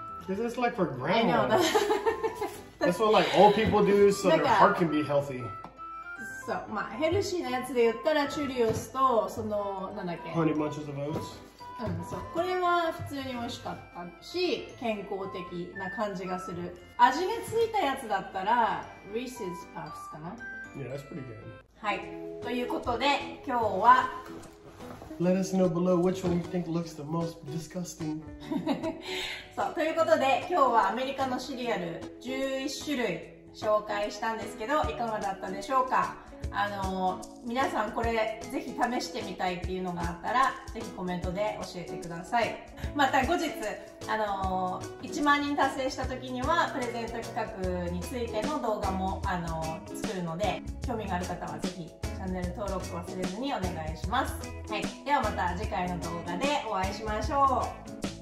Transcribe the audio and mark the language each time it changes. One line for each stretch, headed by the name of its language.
English: Because it's like for grandma. I know. That's what like old people do so their heart can be healthy.
Japanese: So, まあヘルシーなやつで言ったらチュリオスとそのなんだっけ
English: Honey Bunches of Oats?
Japanese: そう、これは普通に美味しかったし健康的な感じがする味がついたやつだったら Reese's Puffs かな
English: Yeah, that's pretty good
Japanese: はい、ということで今日は
English: Let us know below which one you think looks the most disgusting
Japanese: そう、ということで今日はアメリカのシリアル11種類紹介したんですけどいかがだったでしょうか皆さんこれぜひ試してみたいっていうのがあったらぜひコメントで教えてください。また後日1万人達成した時にはプレゼント企画についての動画も作るので興味がある方はぜひチャンネル登録忘れずにお願いします。はい、ではまた次回の動画でお会いしましょう。